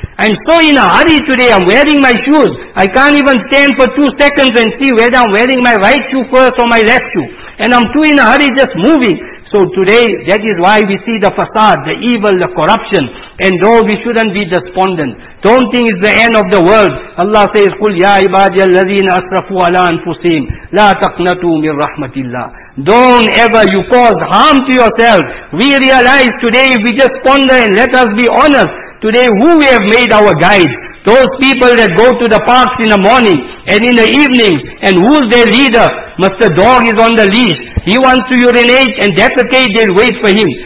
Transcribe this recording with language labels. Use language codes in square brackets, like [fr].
[en] I'm so in a hurry today. I'm wearing my shoes. I can't even stand for 2 seconds and see whether I'm wearing my right shoe first or my left shoe. And I'm too in a hurry just moving. So today, that is why we see the facade, the evil, the corruption. And though we shouldn't be despondent, don't think it's the end of the world. Allah says, [ar] قُلْ يَا عِبَادِيَ الَّذِينَ أَسْرَفُوا عَلَىٰ أَنفُسِهِمْ لَا تَقْنَتُوا مِنْ رَحْمَةِ اللَّهِ. [en] Don't ever you cause harm to yourself. We realize today, if we just ponder and let us be honest, today who we have made our guide? Those people that go to the parks in the morning and in the evening, and who's their leader? Mr. Dog is on the leash. He wants to urinate and defecate, they'll wait for him.